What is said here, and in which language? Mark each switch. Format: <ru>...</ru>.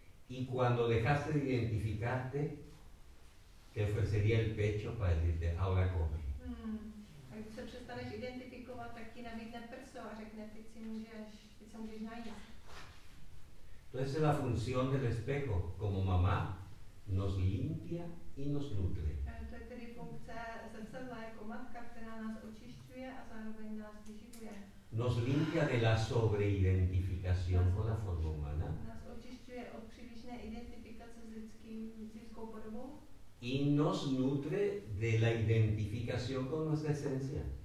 <es>Y cuando dejaste de identificarte, te ofrecería el pecho para decirte, ahora come.</es> <cs>A když se přestaneš identifikovat, tak ti nabídne prso a řekne, teď se můžeš najít. To je</cs> <es>la función del espejo, como mamá nos limpia y nos nutre.</es> <cs>To je tedy funkce zrcadla jako matka, která nás očišťuje a zároveň nás vyživuje.</cs> <es>Nos limpia de la sobreidentificación con la forma humana.</es> <cs>Nás očišťuje od přílišné identifikace s lidskou podobou.</cs> <es>y nos nutre de la identificación con nuestra esencia.</es>